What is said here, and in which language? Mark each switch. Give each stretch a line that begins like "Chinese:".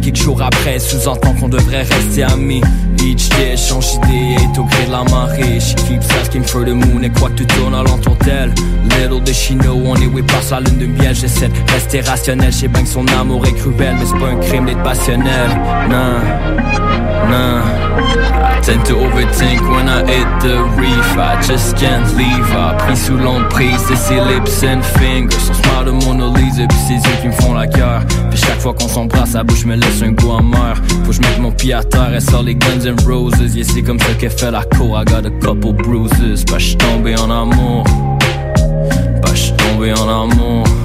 French: Quelques jours après, sous-entend qu'on devrait rester amis.
English: Each day,
French: change d'idée, est au gré de la marée.
English: She keeps asking for the moon,
French: et quoi que tu tournes à l'entour d'elle.
English: Little does she know,
French: on est
English: way past
French: la lune de miel. J'essaie de rester rationnel, je sais bien que son amour est cruel. Mais c'est pas un crime d'être passionnel. Nah, nah.
English: I tend to overthink when I hit the reef. I just can't leave. I
French: pris sous l'emprise de ses
English: lips and fingers.
French: Son smile de Mona Lisa, puis ses yeux qui me font la cœur. Puis chaque fois qu'on s'embrasse, sa bouche me laisse un goût amer. Faut que je mette mon pied à terre, elle sort les Guns and Roses. Yeah, c'est comme ça qu'elle fait la cour.
English: I got a couple bruises.
French: Pas j'suis tombé en amour. Pas j'suis tombé en amour.